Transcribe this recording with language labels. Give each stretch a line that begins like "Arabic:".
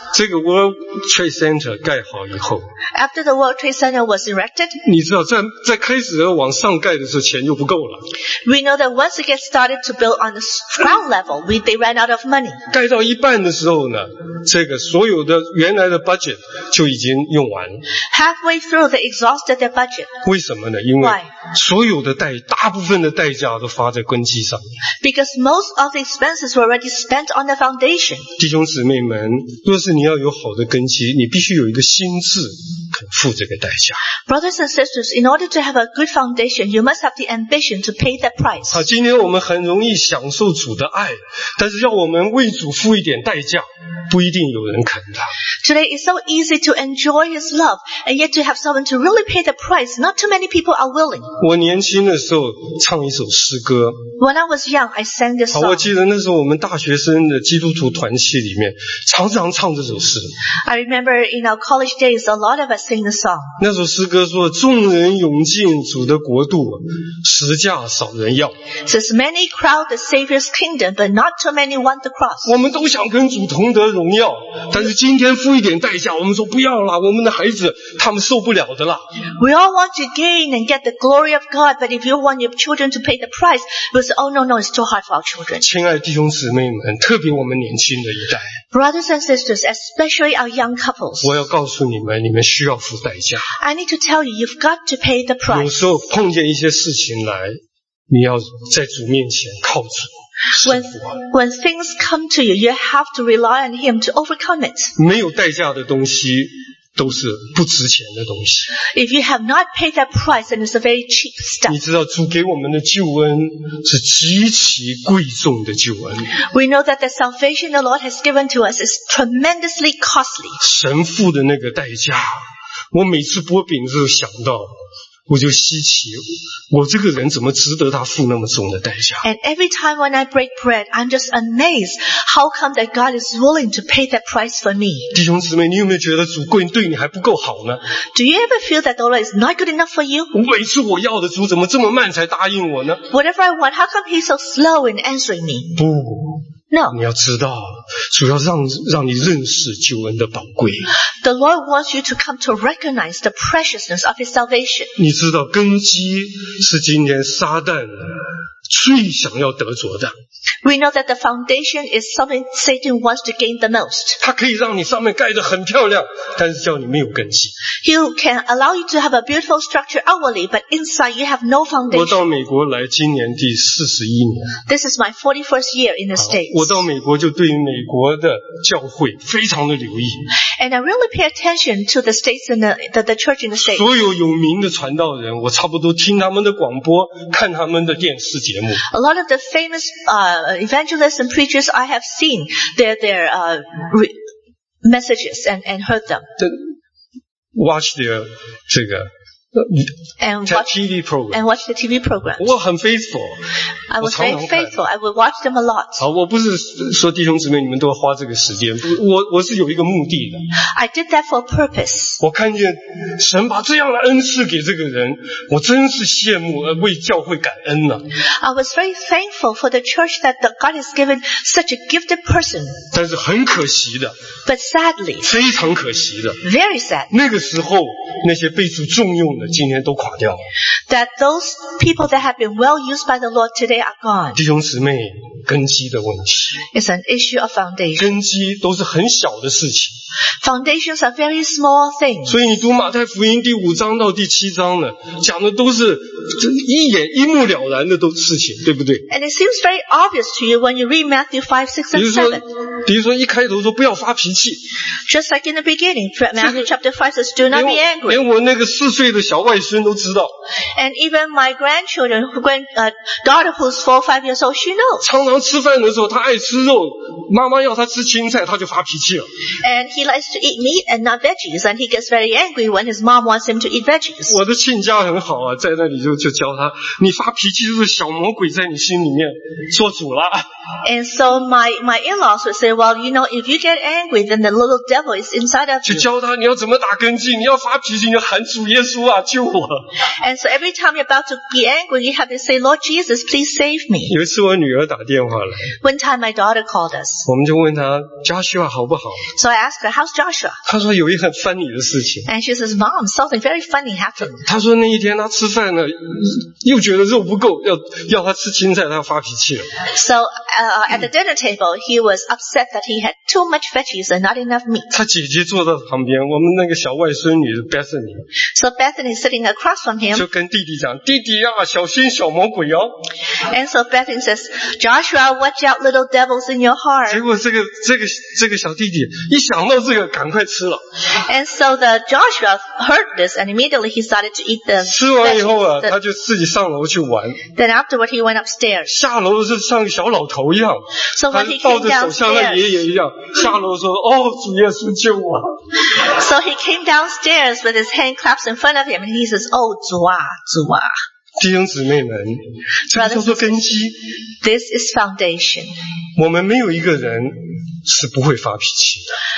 Chinese: 这个 World Trade Center 盖好以后。
English: After the World Trade Center was erected.
Chinese: 你知道在开始往上盖的时候钱就不够了。
English: We know that once it gets started to build on the ground level, they ran out of money.
Chinese: 盖到一半的时候呢，这个所有的原来的
English: budget
Chinese: 就已经用完。
English: Halfway through, they exhausted their budget.
Chinese: 为什么呢？因为所有的大部分的代价都发在根基上。
English: Because most of the expenses were already spent on the foundation.
Chinese: 弟兄姊妹们，若是你要有好的根基，你必须有一个心智肯付这个代价。
English: Brothers and sisters, in order to have a good foundation, you must have the ambition to pay that price.
Chinese: 好，今天我们很容易享受主的爱，但是要我们为主付一点代价，不一定有人肯的。
English: Today it's so easy to enjoy His love, and yet to have someone to really pay the price, not too many people are willing.
Chinese: 我年轻的时候唱一首诗歌。
English: When I was young, I sang this song.
Chinese: 我记得那时候我们大学生的基督徒团契里面常常唱这首诗。
English: I remember in our college days, a lot of us sing the song.
Chinese: 那首诗歌说：“众人涌进主的国度，十架少人要。”
English: Says many crowd the Savior's kingdom, but not too many want the cross.
Chinese: 我们都想跟主同得荣耀，但是今天付一点代价，我们说不要了，我们的孩子他们受不了的啦。
English: We all want to gain and get the glory of God, but if you want your children to pay the price, we say, oh no, no, it's too hard for our children.
Chinese: 亲爱的弟兄姊妹们，特别我们年轻的一代。
English: Brothers and sisters, especially our young couples.
Chinese: 我要告诉你们，你们需要付代价。
English: I need to tell you, you've got to pay the price.
Chinese: 有时候碰见一些事情来，你要在主面前靠主。
English: When things come to you, you have to rely on Him to overcome it.
Chinese: 没有代价的东西都是不值钱的东西。
English: If you have not paid that price, then it's a very cheap stuff.
Chinese: 你知道主给我们的救恩是极其贵重的救恩。
English: We know that the salvation the Lord has given to us is tremendously costly.
Chinese: 神父的那个代价，我每次剥饼的时候想到，我就稀奇，我这个人怎么值得他付那么重的代价。
English: And every time when I break bread, I'm just amazed how come that God is willing to pay that price for me.
Chinese: 弟兄姊妹，你有没有觉得主贵对你还不够好呢？
English: Do you ever feel that the Lord is not good enough for you?
Chinese: 每次我要的主怎么这么慢才答应我呢？
English: Whatever I want, how come He's so slow in answering me?
Chinese: 不。
English: No.
Chinese: 你要知道，主要让你认识救恩的宝贵。
English: The Lord wants you to come to recognize the preciousness of His salvation.
Chinese: 你知道根基是今天撒旦最想要得着的。
English: We know that the foundation is something Satan wants to gain the most.
Chinese: 他可以让你上面盖得很漂亮，但是叫你没有根基。
English: He can allow you to have a beautiful structure outwardly, but inside you have no foundation.
Chinese: 我到美国来今年第41年。
English: This is my 41st year in the States.
Chinese: 我到美国就对美国的教会非常的留意。
English: And I really pay attention to the states and the church in the States.
Chinese: 所有有名的传道人，我差不多听他们的广播，看他们的电视节目。
English: A lot of the famous evangelists and preachers I have seen their messages and heard them. Watch their
Chinese: 这个
English: TV program. And watch the TV program.
Chinese: 我很
English: faithful. I was very faithful. I would watch them a lot.
Chinese: 好，我不是说弟兄姊妹你们都要花这个时间，我是有一个目的的。
English: I did that for a purpose.
Chinese: 我看见神把这样的恩赐给这个人，我真是羡慕，为教会感恩了。
English: I was very thankful for the church that God has given such a gifted person.
Chinese: 但是很可惜的。
English: But sadly.
Chinese: 非常可惜的。
English: Very sad.
Chinese: 那个时候那些被主重用的今天都垮掉了。
English: That those people that have been well used by the Lord today.
Chinese: 弟兄姊妹，根基的问题。
English: It's an issue of foundation.
Chinese: 根基都是很小的事情。
English: Foundations are very small things.
Chinese: 所以你读马太福音第五章到第七章呢，讲的都是一眼一目了然的事情，对不对？
English: And it seems very obvious to you when you read Matthew 5, 6, and 7.
Chinese: 比如说一开头说不要发脾气。
English: Just like in the beginning, Matthew chapter 5 says, do not be angry.
Chinese: 连我那个四岁的小外孙都知道。
English: And even my grandchildren, daughter who's 4 or 5 years old, she knows.
Chinese: 常常吃饭的时候他爱吃肉，妈妈要他吃青菜他就发脾气了。
English: And he likes to eat meat and not veggies, and he gets very angry when his mom wants him to eat veggies.
Chinese: 我的亲家很好啊，在那里就教他，你发脾气就是小魔鬼在你心里面做主了。
English: And so my in-laws would say, well, you know, if you get angry, then the little devil is inside of you.
Chinese: 就教他你要怎么打根基，你要发脾气，你要喊主耶稣啊，救我。
English: And so every time you're about to be angry, you have to say, Lord Jesus, please save me.
Chinese: 有一次我女儿打电话来。
English: One time my daughter called us.
Chinese: 我们就问她 Joshua 好不好。
English: So I asked her, how's Joshua?
Chinese: 她说有一很
English: funny
Chinese: 的事情。
English: And she says, Mom, something very funny happened.
Chinese: 她说那一天她吃饭了，又觉得肉不够，要她吃青菜，她发脾气了。
English: So,at the dinner table, he was upset that he had too much veggies and not enough meat.
Chinese: 他姐姐坐在旁边，我们那个小外孙女 Bethany.
English: So Bethany sitting across from him.
Chinese: 就跟弟弟讲，弟弟啊，小心小魔鬼哦。
English: And so Bethany says, Joshua, watch out, little devils in your heart.
Chinese: 结果这个小弟弟一想到这个，赶快吃了。
English: And so the Joshua heard this and immediately he started to eat the.
Chinese: 吃完以后啊，他就自己上楼去玩。
English: Then afterward, he went upstairs.
Chinese: 下楼是像小老头。不要，
English: so、
Chinese: 他抱着手像他爷爷一样下楼说：“哦，主耶稣救我。”
English: So he came downstairs with his hand claps in front of him, and he says, "Oh,
Chinese: 主啊，主啊。” 弟兄姊妹们，这叫做根基。
English: This is foundation.
Chinese: 我们没有一个人是不会发脾气的。